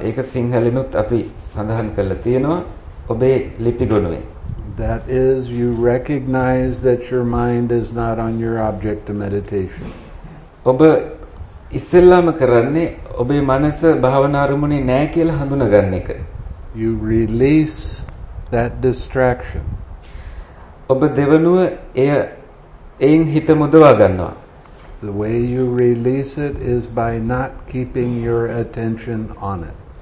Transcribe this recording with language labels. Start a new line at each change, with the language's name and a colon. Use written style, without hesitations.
Sinhala: ඒක සිංහලිනුත් අපි සඳහන් කරලා තියෙනවා ඔබේ ලිපි ගොනුවේ.
English: That is, you recognize that your mind is not on your object of meditation.
Sinhala: ඔබ ඉස්සෙල්ලාම කරන්නේ ඔබේ මනස භාවනා අරමුණේ නැහැ කියලා හඳුනා ගන්න එක.
English: You release that distraction.
Sinhala: ඔබ දෙවනුව එයින් හිත මුදවා ගන්නවා.
English: The way you release it is by not keeping your attention on it.